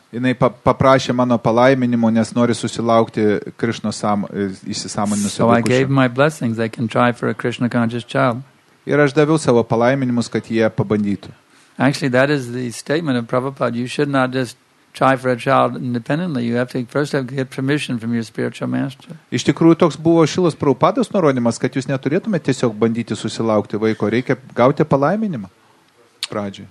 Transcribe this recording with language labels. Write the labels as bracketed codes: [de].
[lt] Jinai paprašė mano palaiminimo, nes nori susilaukti Krishnos įsisąmoninusio vaikučio. [en] So I gave my blessings, they can try for a Krishna conscious child. [lt] Ir aš daviau savo palaiminimus, kad jie pabandytų. [en] Actually, that is the statement of Prabhupada. You should not just try for a child independently. You have to first have to get permission from your spiritual master. [lt] Iš tikrųjų, toks buvo Šilos Prabhupados nurodymas, kad jūs neturėtumėte tiesiog bandyti susilaukti vaiko. Reikia gauti palaiminimą pradžiai.